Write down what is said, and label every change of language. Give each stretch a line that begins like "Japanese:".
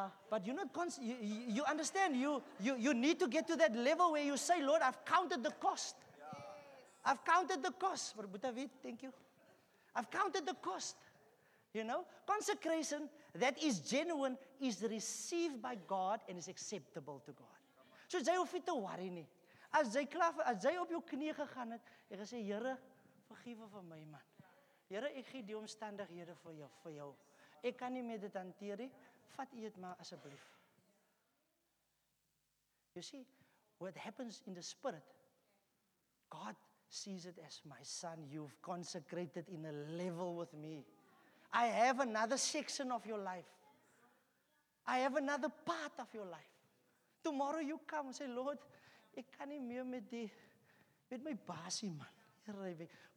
English: But you're not you understand, you need to get to that level where you say, Lord, I've counted the cost. I've counted the cost. But thank you. I've counted the cost. You know, consecration that is genuine is received by God and is acceptable to God.
Afrikaans: So jy hoef nie te worry nie. As jy op jou knie gegaan het, jy gesê, Here, vergewe vir my man. Here, ek gee die omstandighede vir jou. Ek kan nie met dit hanteer nie. Vat u dit maar asseblief.
English: You see, what happens in the spirit, God sees it as, my son, you've consecrated in a level with me. I have another section of your life. I have another part of your life. Tomorrow you come and say, Lord, I can't meet me with my bossy man.